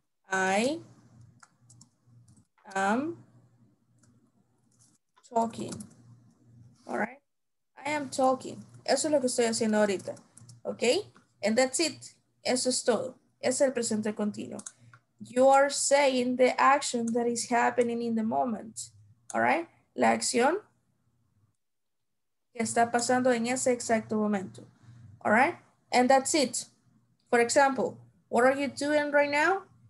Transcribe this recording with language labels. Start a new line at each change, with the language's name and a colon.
English: I am talking, all right? I am talking.
Spanish: Eso es lo que estoy haciendo ahorita, okay?
English: And that's it.
Spanish: Eso es todo. Es el presente continuo.
English: You are saying the action that is happening in the moment, all right?
Spanish: La acción que está pasando en ese exacto momento,
English: all right? And that's it. For example, what are you doing right now?